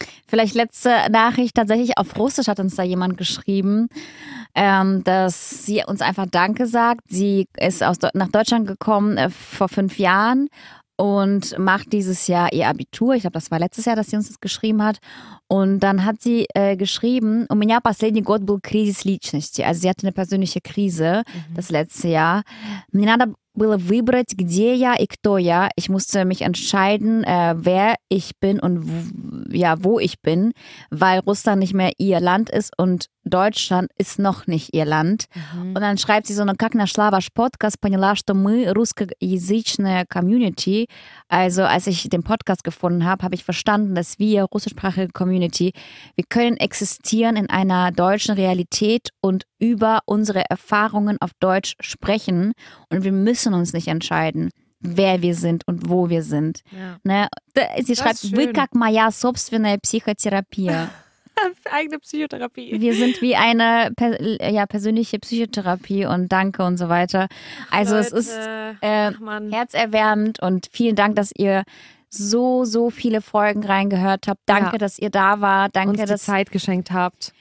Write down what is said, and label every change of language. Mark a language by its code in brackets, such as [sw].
[de] Vielleicht letzte Nachricht, tatsächlich auf Russisch hat uns da jemand geschrieben, dass sie uns einfach Danke sagt. Sie ist nach Deutschland gekommen vor 5 Jahren und macht dieses Jahr ihr Abitur. Ich glaube, das war letztes Jahr, dass sie uns das geschrieben hat. Und dann hat sie geschrieben, [ru] у меня последний год был кризис личности. [de] Also sie hatte eine persönliche Krise das letzte Jahr. [ru] Мне надо было выбрать, где я и кто я. [de] Ich musste mich entscheiden, wer ich bin und wo ich bin, weil Russland nicht mehr ihr Land ist und Deutschland ist noch nicht ihr Land. Mhm. Und dann schreibt sie so, [ru] как наш лаваш подкаст поняла, что мы русскоязычная Community. [de] Also als ich den Podcast gefunden habe, habe ich verstanden, dass wir russischsprachige Community, wir können existieren in einer deutschen Realität und über unsere Erfahrungen auf Deutsch sprechen. Und wir müssen uns nicht entscheiden, wer wir sind und wo wir sind. Ja. Ne? Sie schreibt, [ru] вы как моя собственная психотерапия. [de] Eigene Psychotherapie. Wir sind wie eine persönliche Psychotherapie und danke und so weiter. Also Leute, es ist herzerwärmend und vielen Dank, dass ihr so, so viele Folgen reingehört habt. Danke, dass ihr da war. Danke, uns die Zeit geschenkt habt.